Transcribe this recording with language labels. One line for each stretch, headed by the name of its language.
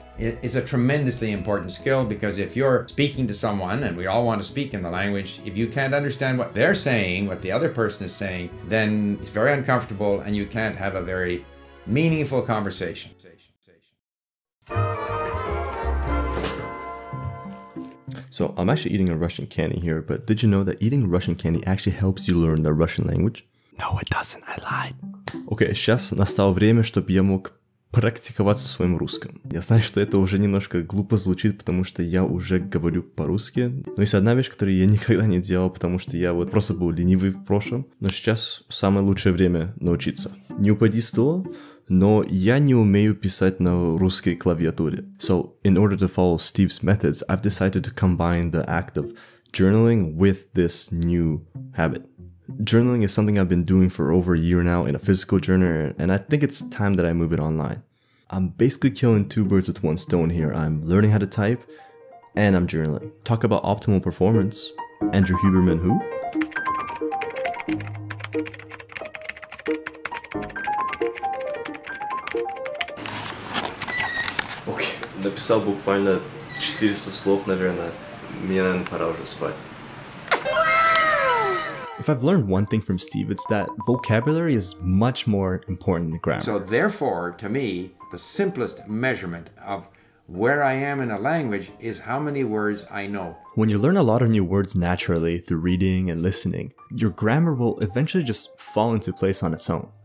English: It is a tremendously important skill, because if you're speaking to someone, and we all want to speak in the language, if you can't understand what they're saying, what the other person is saying, then it's very uncomfortable and you can't have a very meaningful conversation. So I'm actually eating a Russian candy here, but did you know that eating Russian candy actually helps you learn the Russian language? No, it doesn't. I lied.
Russian: Okay, сейчас настало время, чтобы я мог практиковаться в своем русском. Я знаю, что это уже немножко глупо звучит, потому что я уже говорю по-русски. Но есть одна вещь, которую я никогда не делал, потому что я вот просто был ленивый в прошлом. Но сейчас самое лучшее время научиться. Не упади с стула, но я не умею писать на русской клавиатуре.
English: So, in order to follow Steve's methods, I've decided to combine the act of journaling with this new habit. Journaling is something I've been doing for over a year now in a physical journal, and I think it's time that I move it online. I'm basically killing two birds with one stone here. I'm learning how to type, and I'm journaling. Talk about optimal performance. Andrew Huberman who?
Russian: Okay, написал буквально 400 слов, наверное. Мне, наверное, пора уже спать.
English: If I've learned one thing from Steve, it's that vocabulary is much more important than grammar. So therefore, to me, the simplest measurement of where I am in a language is how many words I know. When you learn a lot of new words naturally through reading and listening, your grammar will eventually just fall into place on its own.